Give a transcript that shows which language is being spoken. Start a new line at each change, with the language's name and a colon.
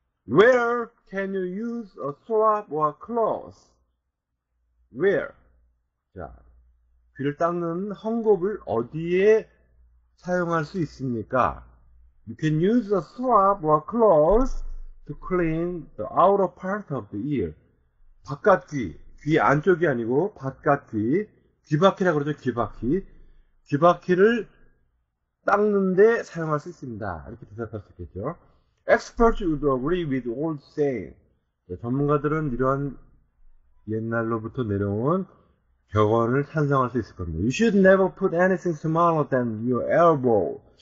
English: Where can you use a swab or cloth? Where? 자.
Korean: 귀를 닦는 헝겊을 어디에 사용할 수 있습니까?
English: You can use a swab or cloth to clean the outer part of the ear.
Korean: 바깥귀, 귀 안쪽이 아니고 바깥귀, 귀바퀴라고 그러죠, 귀바퀴. 귀바퀴를 닦는데 사용할 수 있습니다. 이렇게 대답할 수 있겠죠.
English: Experts would agree with old saying.
Korean: 네, 전문가들은 이러한 옛날로부터 내려온 격언을 찬성할 수 있을 겁니다.
English: You should never put anything smaller than your elbow.